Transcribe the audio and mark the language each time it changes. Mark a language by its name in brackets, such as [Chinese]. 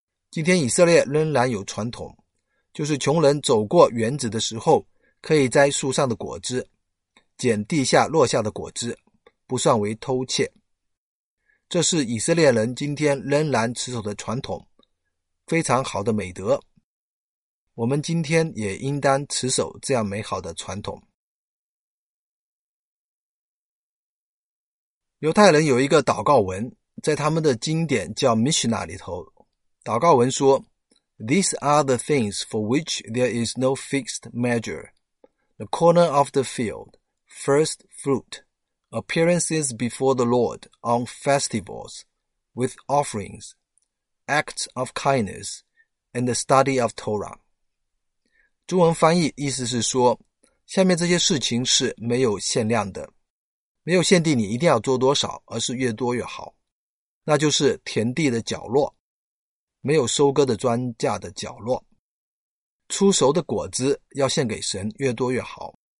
[Chinese] 今天以色列仍然有传统，就是穷人走过园子的时候可以摘树上的果子，捡地下落下的果子，不算为偷窃。这是以色列人今天仍然持守的传统，非常好的美德。我们今天也应当持守这样美好的传统。犹太人有一个祷告文，在他们的经典叫 Mishnah 里头，祷告文说 [English] These are the things for which there is no fixed measure. The corner of the field, first fruit, appearances before the Lord on festivals, with offerings, acts of kindness, and the study of Torah. [Chinese] 中文翻译意思是说，下面这些事情是没有限量的，没有限定你一定要做多少，而是越多越好。那就是田地的角落，没有收割的庄稼的角落，出熟的果子要献给神，越多越好。